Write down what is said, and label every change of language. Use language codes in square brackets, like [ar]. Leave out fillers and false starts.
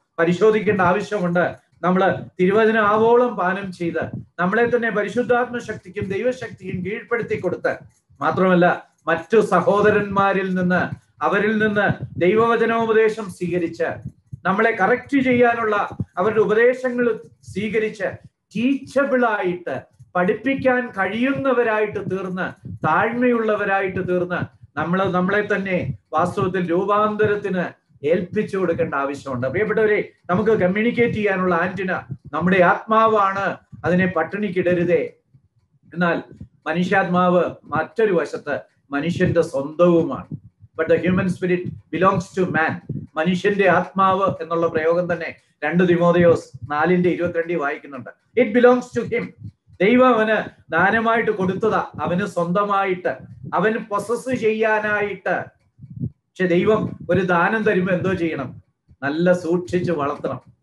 [ml] പരിശോധിക്കേണ്ട ആവശ്യമുണ്ട്. നമ്മൾ തിരുവചന ആവോളം പാനം ചെയ്ത് നമ്മളെ തന്നെ പരിശുദ്ധാത്മ ശക്തിക്കും ദൈവശക്തിക്കും കീഴ്പ്പെടുത്തി കൊടുത്ത് മാത്രമല്ല മറ്റു സഹോദരന്മാരിൽ നിന്ന് അവരിൽ നിന്ന് ദൈവവചനോപദേശം സ്വീകരിച്ച് നമ്മളെ കറക്റ്റ് ചെയ്യാനുള്ള അവരുടെ ഉപദേശങ്ങൾ സ്വീകരിച്ച് ടീച്ചബിളായിട്ട് പഠിപ്പിക്കാൻ കഴിയുന്നവരായിട്ട് തീർന്ന്, താഴ്മയുള്ളവരായിട്ട് തീർന്ന് നമ്മളെ തന്നെ വാസ്തവത്തിൽ രൂപാന്തരത്തിന് ഏൽപ്പിച്ചു കൊടുക്കേണ്ട ആവശ്യമുണ്ട്. പ്രിയപ്പെട്ടവരെ, നമുക്ക് കമ്മ്യൂണിക്കേറ്റ് ചെയ്യാനുള്ള ആന്റിന നമ്മുടെ ആത്മാവാണ്, അതിനെ പട്ടിണിക്കിടരുതേ. എന്നാൽ മനുഷ്യാത്മാവ് മറ്റൊരു വശത്ത് മനുഷ്യന്റെ സ്വന്തവുമാണ്. [en] But the human spirit belongs to man. [ml] മനുഷ്യന്റെ ആത്മാവ് എന്നുള്ള പ്രയോഗം തന്നെ 2 Timotheos 4:22 വായിക്കുന്നുണ്ട്. [en] It belongs to him. [ml] ദൈവം അവന് ദാനമായിട്ട് കൊടുത്തതാ, അവന് സ്വന്തമായിട്ട്, അവന് പ്രോസസ് ചെയ്യാനായിട്ട്. പക്ഷെ ദൈവം ഒരു ദാനം തരുമ്പോ എന്തോ ചെയ്യണം, നല്ല സൂക്ഷിച്ച് വളർത്തണം.